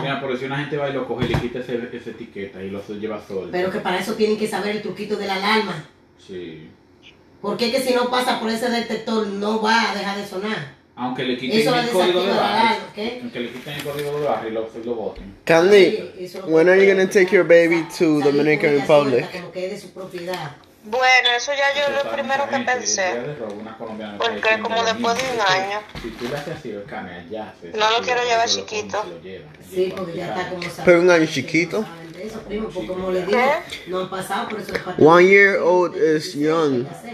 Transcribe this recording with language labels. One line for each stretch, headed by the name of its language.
Spanish: Mira, por si una gente va y lo coge y le quita esa etiqueta y lo lleva solo. Pero que para eso tienen que saber el truquito de la alarma. Sí. ¿Por qué que si no pasa por ese detector no va a dejar de sonar? Aunque le quiten eso el código de barra. Aunque le quiten el código de barra y lo voten.
English: Candy, when are you going to take your baby to the Dominican Republic?
Spanish: Como que es de su propiedad. Bueno, eso ya yo lo primero que pensé. Porque como después de un año. Si tú le has sido cambia, ya. No lo quiero llevar chiquito. Sí, porque ya está como sabes. Pero un año chiquito.
English: One year old is young.